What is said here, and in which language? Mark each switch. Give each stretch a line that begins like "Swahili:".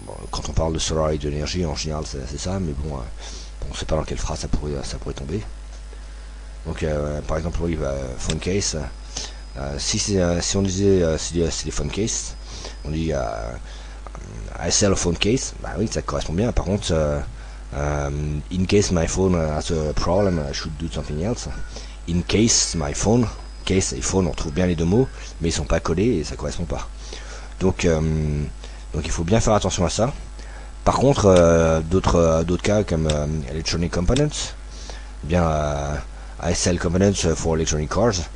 French: Quand on parle de solar et d'énergie, en général, c'est ça, mais bon, on ne sait pas dans quelle phrase ça pourrait tomber. Donc, par exemple, oui, phone case. Si on disait c'est des phone case, on dit
English: I sell a phone case,
French: bah oui, ça correspond bien. Par contre,
English: in case my phone has a problem, I should do something else. In case my phone,
French: case et phone, on trouve bien les deux mots, mais ils ne sont pas collés et ça ne correspond pas. Donc il faut bien faire attention à ça. Par contre, d'autres cas comme electronic components,
English: I sell components for electronic cars.